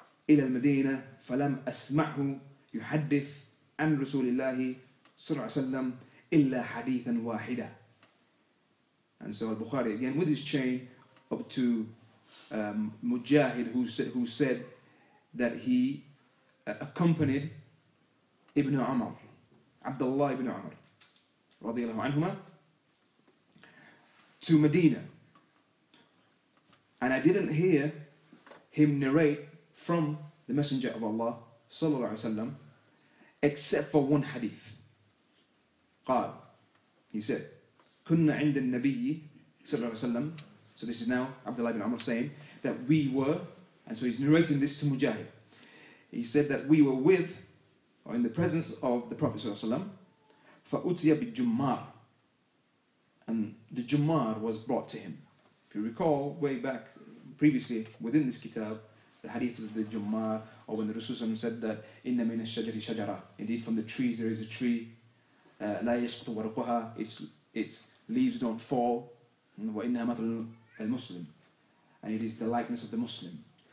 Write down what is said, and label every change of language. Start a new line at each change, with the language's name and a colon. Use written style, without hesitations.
Arabic: إلى المدينة فلم أسمعه يحدث عن رسول الله صلى الله عليه وسلم إلا حديثا واحدا.
English: And so Al-Bukhari again with his chain up to Mujahid, who said that he accompanied Ibn Umar, Abdullah ibn Umar radiallahu anhuma, to Medina. And I didn't hear him narrate from the Messenger of Allah صلى الله عليه وسلم except for one hadith.
Arabic: قال,
English: he said,
Arabic: كنا عند النبي صلى الله عليه وسلم.
English: So this is now Abdullah ibn Umar saying that we were, and so he's narrating this to Mujahid. He said that we were with, or in the presence of the Prophet صلى الله عليه وسلم,
Arabic: فَأُتِيَ بِالْجُمَّارِ,
English: and the Jummar was brought to him. If you recall, way back previously within this kitab, the hadith of the Jummar, or when the Rasulullah said that
Arabic: إِنَّ مِنَ الشَّجَرِ شَجَرًا,
English: indeed from the trees there is a tree,
Arabic: لَا يَسْقُطُ وَرُقُهَا,
English: its leaves don't fall,
Arabic: وَإِنَّهَا مَثَلُ الْمُسْلِمِ,
English: and it is the likeness of the Muslim.